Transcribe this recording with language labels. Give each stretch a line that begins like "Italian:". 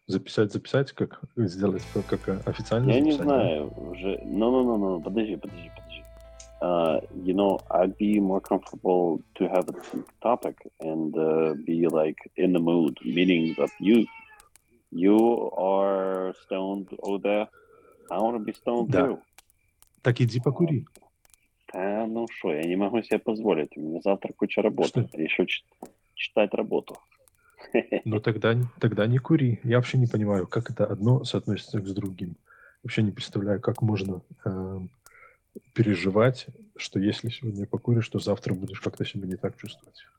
Russian: Записать как сделать, как официально я Я не знаю, да? Уже.
English: No,
Russian: подожди.
English: You know, I'd be more comfortable to have a topic and be like in the mood, meaning that you are stoned over there. I want to be stoned
Russian: да.
English: too.
Russian: Так иди покури. Ну что, я не могу себе позволить. У меня завтра куча работы. Что? Еще читать работу. Ну тогда не кури. Я вообще не понимаю, как это одно соотносится с другим. Вообще не представляю, как можно переживать, что если сегодня покуришь, то завтра будешь как-то себя не так чувствовать.